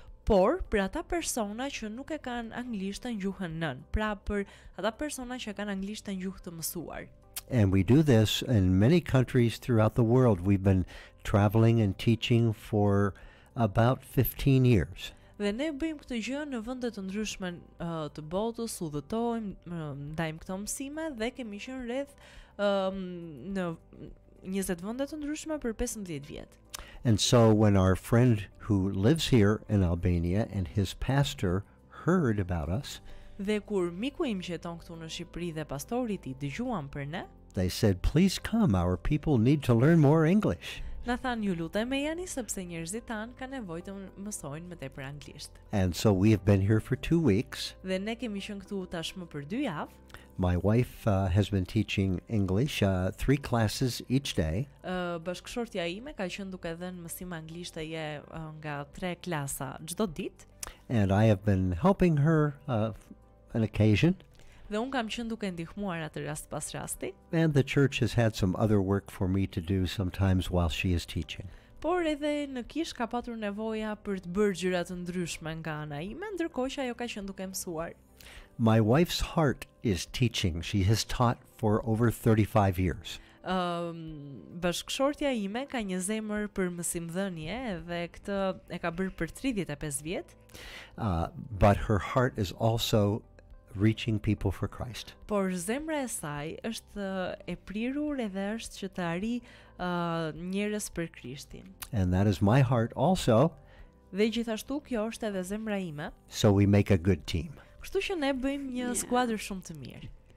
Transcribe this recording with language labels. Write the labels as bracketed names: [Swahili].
[Albanian] Por për ata persona që nuk e kanë anglishtën gjuhën nën, pra për ata persona që kanë anglishtën gjuhë të mësuar. [English] And we do this in many countries throughout the world. We've been traveling and teaching for about 15 years. [Albanian] Dhe ne bëjmë këtë gjë në vende të ndryshme të botës, udhëtojmë, ndajmë këto mësime dhe kemi qenë rreth në 20 vende të ndryshme për 15 vjet. [English] And so when our friend who lives here in Albania and his pastor heard about us, [Albanian] dhe kur miku im që jeton këtu në Shqipëri dhe pastori i tij dëgjuan për ne, [English] they said, "Please come, our people need to learn more English." [Albanian] Na than, "Ju lutem e jani sepse njerëzit tan kanë nevojë të mësojnë më tepër anglisht." [English] And so we have been here for 2 weeks. [Albanian] Dhe ne kemi qenë këtu tashmë për 2 javë. [English] My wife has been teaching English 3 classes each day. [Albanian] Bashkëshortja ime ka qenë duke dhënë mësim anglishteje nga 3 klasa çdo ditë. [English] And I have been helping her an occasion. [Albanian] Dhe un kam qenë duke ndihmuar atë rast pas rasti. [English] And the church has had some other work for me to do sometimes while she is teaching. [Albanian] Por edhe në kish ka patur nevoja për të bërë gjëra të ndryshme nga ana ime, ndërkohë që ajo ka qenë duke mësuar. [English] My wife's heart is teaching. She has taught for over 35 years. [Albanian] Bashkëshortja ime ka një zemër për mësimdhënie dhe këtë e ka bërë për 35 vjet. [English] But her heart is also reaching people for Christ. [Albanian] Por zemra e saj është e prirur edhe është që të arrijë njerëz për Krishtin. [English] And that is my heart also. [Albanian] Dhe gjithashtu kjo është edhe zemra ime. [English] So we make a good team. [Albanian] Kështu që ne bëjmë një skuadër shumë të mirë.